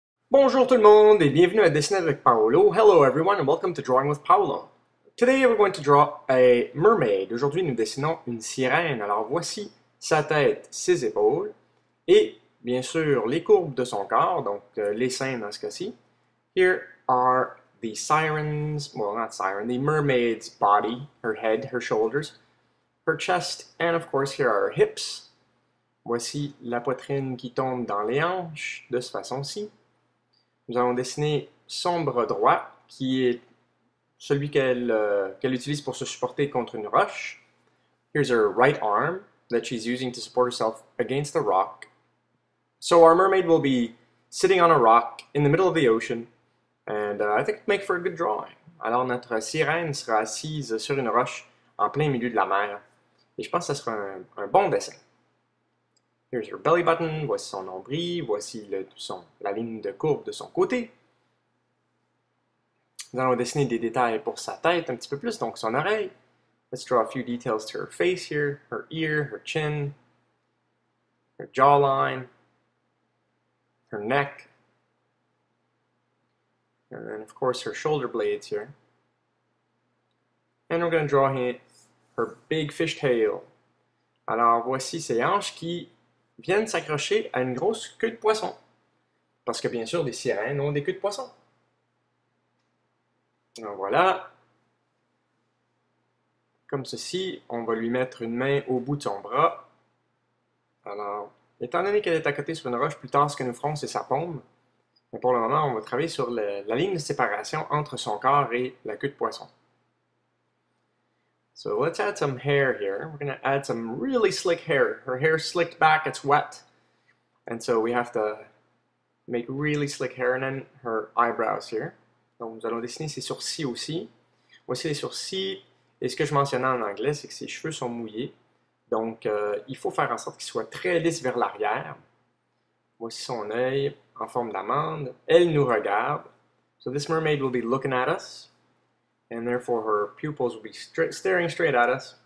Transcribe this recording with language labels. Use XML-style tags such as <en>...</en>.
<fr>Bonjour tout le monde et bienvenue à Dessiner avec Paolo.</fr> <en>Hello everyone and welcome to Drawing with Paolo. Today we're going to draw a mermaid.</en> <fr>Aujourd'hui nous dessinons une sirène. Alors voici sa tête, ses épaules et bien sûr les courbes de son corps, donc les seins dans ce cas-ci.</fr> <en>Here are the sirens, well not siren, the mermaid's body, her head, her shoulders, her chest, and of course here are her hips.</en> <fr>Voici la poitrine qui tombe dans les hanches de cette façon-ci. Nous allons dessiner son bras droit, qui est celui qu'elle utilise pour se supporter contre une roche.</fr> <en>Here's her right arm that she's using to support herself against a rock. So our mermaid will be sitting on a rock in the middle of the ocean, and I think it'll make for a good drawing.</en> <fr>Alors notre sirène sera assise sur une roche en plein milieu de la mer, et je pense que ce sera un bon dessin.</fr> <en>Here's her belly button,</en> <fr>voici son nombril, voici la ligne de courbe de son côté. Nous allons dessiner des détails pour sa tête un petit peu plus, donc son oreille.</fr> <en>Let's draw a few details to her face here, her ear, her chin, her jawline, her neck, and then of course her shoulder blades here. And we're going to draw here her big fish tail.</en> <fr>Alors voici ses hanches qui viennent s'accrocher à une grosse queue de poisson. Parce que, bien sûr, des sirènes ont des queues de poisson. Alors, voilà. Comme ceci, on va lui mettre une main au bout de son bras. Alors, étant donné qu'elle est à côté sur une roche, plus tard, ce que nous ferons, c'est sa paume. Mais pour le moment, on va travailler sur la ligne de séparation entre son corps et la queue de poisson.</fr> <en>So let's add some hair here. We're going to add some really slick hair. Her hair is slicked back, it's wet. And so we have to make really slick hair. And then her eyebrows here.</en> <fr>Donc nous allons dessiner ses sourcils aussi. Voici les sourcils. Et ce que je mentionnais en anglais, c'est que ses cheveux sont mouillés. Donc il faut faire en sorte qu'ils soient très lisses vers l'arrière. Voici son œil en forme d'amande. Elle nous regarde.</fr> <en>So this mermaid will be looking at us. And therefore, her pupils will be staring straight at us.</en>